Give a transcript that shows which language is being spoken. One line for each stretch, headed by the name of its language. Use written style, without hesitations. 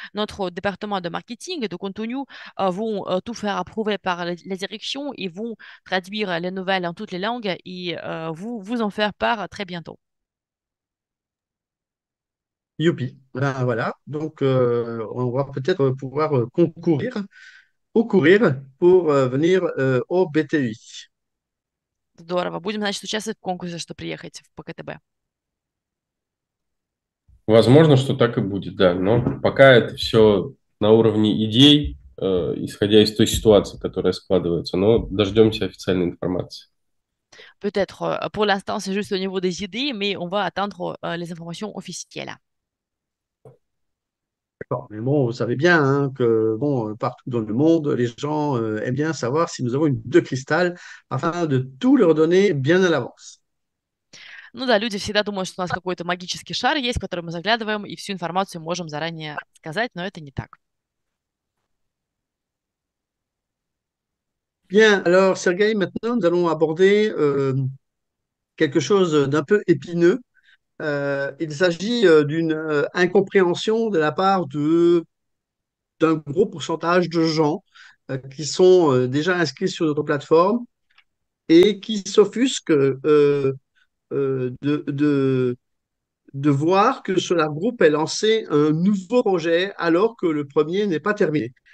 French: Notre département de marketing, de contenu, vont tout faire approuver par la direction et vont traduire les nouvelles en toutes les langues et vous en faire part très bientôt. Youpi, ben voilà, donc on va peut-être pouvoir concourir ou courir pour venir au BTI.
Russian: Здорово. Будем, значит, участвовать в конкурсе, чтобы приехать в ПКТБ. Возможно, что так и будет, да, но пока это все на уровне идей, исходя из той ситуации, которая складывается, но дождемся официальной информации.
French: Peut-être. Pour l'instant, c'est juste au niveau des idées, mais on va attendre les informations officielles. Bon, mais bon, vous savez bien hein, que bon, partout dans le monde, les gens aiment bien savoir si nous avons une boule de cristal afin de tout leur donner bien à l'avance.
Russian: Ну да, люди всегда думают, что у нас какой-то магический шар есть, в который мы заглядываем и всю информацию можем заранее сказать, но это не так.
French: Bien, alors Sergueï, maintenant nous allons aborder quelque chose d'un peu épineux. Il s'agit d'une incompréhension de la part de d'un gros pourcentage de gens qui sont déjà inscrits sur notre plateforme et qui s'offusquent de voir que ce groupe a lancé un nouveau projet alors que le premier n'est pas terminé.